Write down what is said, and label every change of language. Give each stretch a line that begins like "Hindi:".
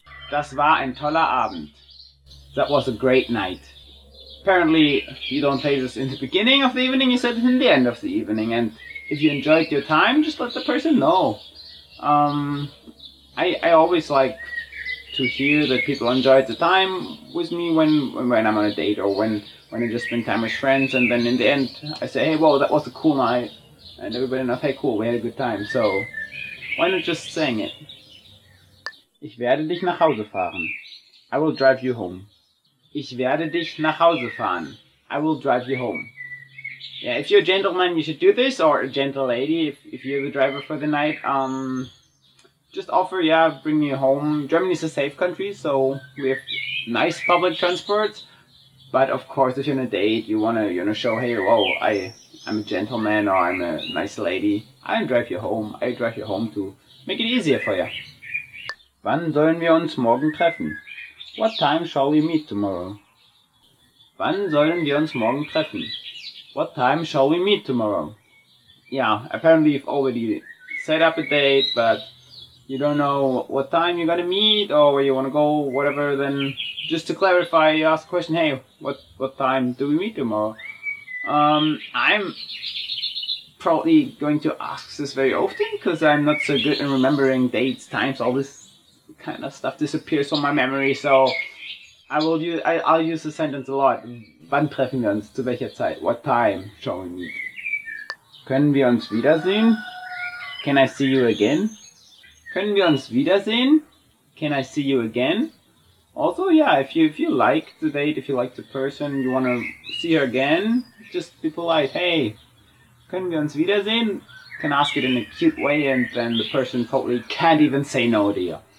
German: Das war ein toller Abend.
English: That was a great night. Apparently, you don't say this in the beginning of the evening, you said it in the end of the evening. And if you enjoyed your time, just let the person know. I always like to hear that people enjoyed the time with me when I'm on a date or when I just spend time with friends, and then in the end I say, hey, well, that was a cool night, and everybody knows, hey, cool, we had a good time. So why not just saying it?
German: Ich werde dich nach Hause fahren.
English: I will drive you home.
German: Ich werde dich nach Hause fahren.
English: I will drive you home. Yeah, if you're a gentleman, you should do this, or a gentle lady, if you're the driver for the night. Just offer, yeah, bring me home. Germany is a safe country, so we have nice public transport. But of course, if you're on a date, you wanna show, hey, whoa, I'm a gentleman or I'm a nice lady. I drive you home to make it easier for you.
German: Wann sollen wir uns morgen treffen?
English: What time shall we meet tomorrow?
German: Wann sollen wir uns morgen treffen?
English: What time shall we meet tomorrow? Yeah, apparently you've already set up a date, but you don't know what time you're gonna meet or where you wanna go, whatever, then just to clarify, you ask a question, hey, what time do we meet tomorrow? I'm probably going to ask this very often because I'm not so good in remembering dates, times, all this kind of stuff disappears from my memory. So I'll use the sentence a lot.
German: Wann treffen wir uns? Zu welcher Zeit?
English: What time shall we meet?
German: Können wir uns wiedersehen?
English: Can I see you again?
German: Können wir uns wiedersehen?
English: Can I see you again? Also, yeah, if you like the date, if you like the person, you want to see her again, just be polite.
German: Hey, können wir uns wiedersehen?
English: Can ask it in a cute way and then the person probably can't even say no to you.